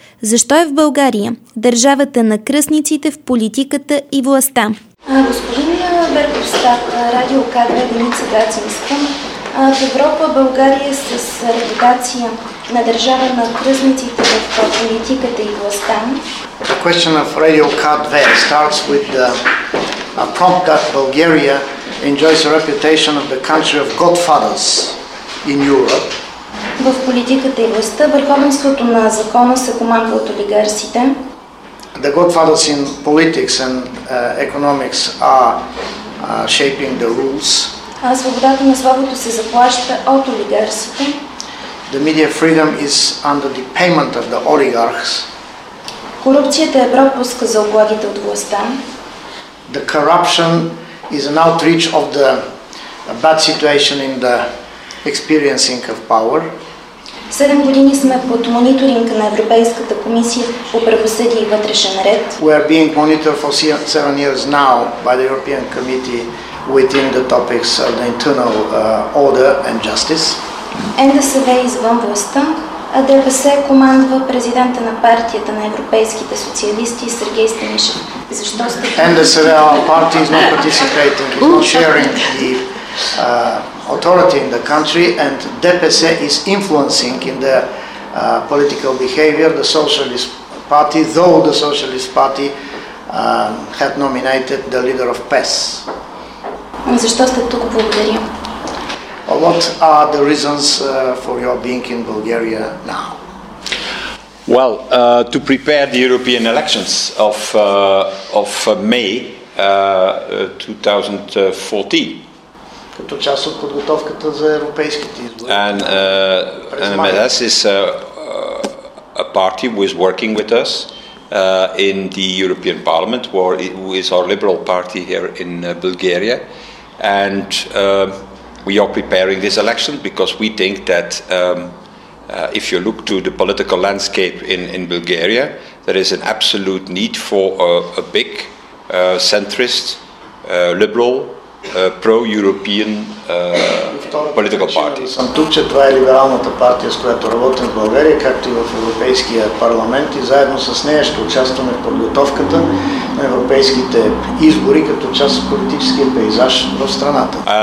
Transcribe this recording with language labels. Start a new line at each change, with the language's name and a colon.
Bulgarian: Защо е в България държавата на кръстниците в политиката и властта? Госпожиня Верховстат, Радио К2, Деница Гацинска. В Европа България е с репутация на държава на кръстниците в политиката и властта.
English: The question of Radio K2 starts with the prompt that Bulgaria enjoys a reputation of the country of godfathers in Europe.
Bulgarian: В политиката и властта върховенството на закона се командва от олигарсите.
English: The godfathers in politics and economics are shaping the rules.
Bulgarian: Свободата на славото се заплаща от олигарсите.
English: The media freedom is under the payment of the oligarchs.
Bulgarian: Корупцията е пропуск за облагите от властта.
English: The corruption is an outreach of the bad situation in the experiencing of power.
Bulgarian: 7 години сме под мониторинг на Европейската комисия по правосъдие и вътрешен ред.
English: We are being monitored for 7 years now by the European Committee within the topics of the internal order and justice.
Bulgarian: НДСВ е извън властта, а ДПС командва президента на партията на европейските социалисти Сергей Станишев. Защо сте?
English: НДСВ, our party is not participating, is not sharing the authority in the country, and ДПС is influencing in the political behavior the Socialist Party, though the Socialist Party had nominated the leader of PES.
Bulgarian: Защо сте тук? Благодаря.
English: What are the reasons for your being in Bulgaria now? Well, to prepare the European elections of May 2014.
Bulgarian: Като част от подготовката за европейските избори.
English: And MLS is a party who is working with us in the European Parliament, who is our liberal party here in Bulgaria. And we are preparing this election because we think that if you look to the political landscape in Bulgaria, there is an absolute need for a big centrist, liberal, pro-European political party.
Bulgarian: Съм тук, че това е либералната партия, с която работим в България, както и в Европейския парламент, и заедно с нея ще участваме в подготовката на европейските избори като част от политическия пейзаж в страната.